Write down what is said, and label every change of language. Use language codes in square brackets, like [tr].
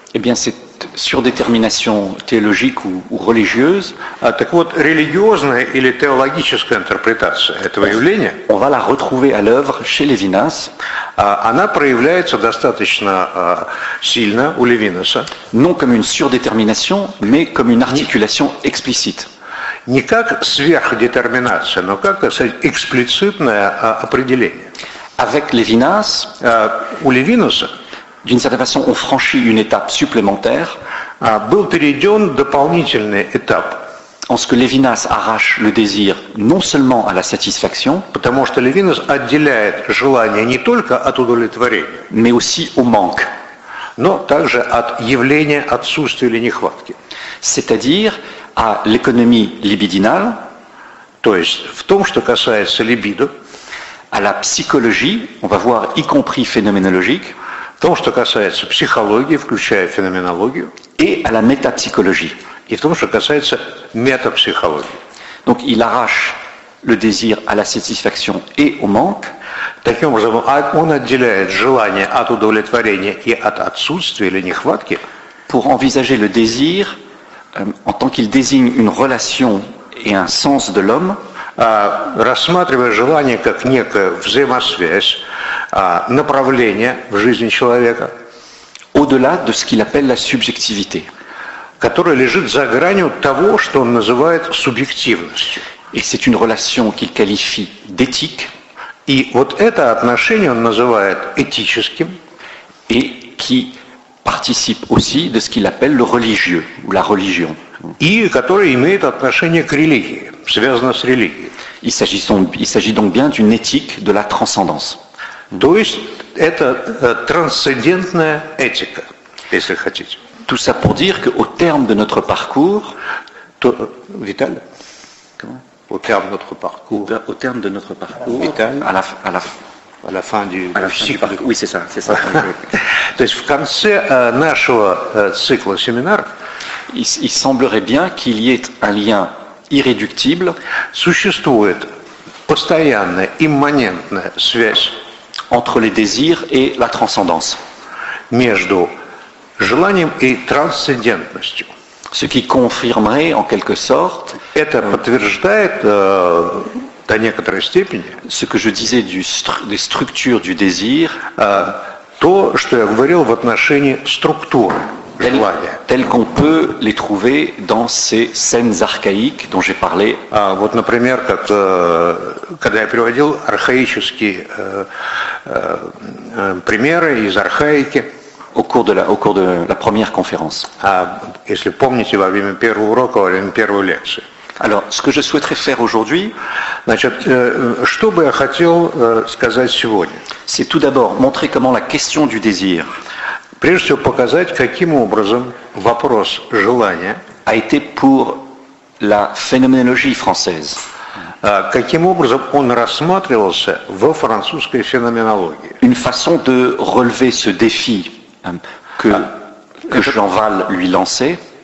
[fr] Eh bien, cette surdétermination théologique ou religieuse, [ru] так вот, религиозная или теологическая интерпретация этого явления, [fr] on va la retrouver à l'œuvre chez Levinas. [ru] Она проявляется достаточно сильно у Левинаса. [fr] Non comme une surdétermination, mais comme une articulation explicite. [ru] Не как сверхдетерминация, но как эксплицитное определение. [fr] Avec Levinas, [ru] у Левинаса, [fr] d'une certaine façon, on franchit une étape supplémentaire. [ru] Был перейден дополнительный этап. [fr] En ce que Levinas arrache le désir non seulement à la satisfaction, [ru] потому что Левинас отделяет желание не только от удовлетворения, [fr] mais aussi au manque, [ru] но также от явления отсутствия или нехватки. [fr] C'est-à-dire à l'économie libidinale, [ru] то есть в том, что касается либидо, [fr] à la psychologie, on va voir y compris phénoménologique. [ru] В том, что касается психологии, включая феноменологию, [fr] et à la métapsychologie. [ru] И в том, что касается метапсихологии. [fr] Donc, il arrache le désir à la satisfaction et au manque. [ru] Таким образом, он отделяет желание от удовлетворения и от отсутствия или нехватки. [fr] Pour envisager le désir, en tant qu'il désigne une relation et un sens de l'homme, [ru] рассматривая желание как некую взаимосвязь, направление в жизни человека, [fr] au-delà de ce qu'il appelle la subjectivité, [ru] которое лежит за гранью того, что он называет субъективностью. [fr] Et c'est une relation qu'il qualifie d'éthique. [ru] И вот это отношение он называет этическим, [fr] et qui participe aussi de ce qu'il appelle le religieux ou la religion. [ru] И которое имеет отношение к религии, связано с религией. [fr] Il s'agit donc bien d'une éthique de la transcendance. [ru] То есть это трансцендентная этика, если хотите. [fr] Tout ça pour dire qu'au terme de notre parcours, Vital, comment? Au terme de notre parcours. Au terme de notre parcours. Vital. À la fin du cycle. Oui, c'est ça. [ru] То есть в конце нашего цикла семинаров, [fr] il semblerait bien qu'il y ait un lien irréductible. [ru] Существует постоянная, имманентная связь [fr] entre les désirs et la transcendance. [ru] Между желанием и трансцендентностью. [fr] Ce qui confirmerait en quelque sorte. [ru] Это подтверждает до некоторой степени. [fr] Ce que je disais des structures du désir. [ru] То, что я говорил в отношении структуры желания. [fr] Tel qu'on peut les trouver dans ces scènes archaïques dont j'ai parlé. [ru] Вот, например, как когда я приводил архаические примеры из архаики. [fr] Au cours de la première conférence. [ru] Если помните, во время первого урока, во время первой лекции. [fr] Alors, ce que je souhaiterais faire aujourd'hui, [ru] значит, что бы я хотел сказать сегодня? [fr] C'est tout d'abord montrer comment la question du désir, [ru] прежде всего показать, каким образом вопрос желания [fr] a été pour la phénoménologie française. [ru] Каким образом он рассматривался в французской феноменологии? [fr] Une façon de relever ce défi que Jean Val lui lançait.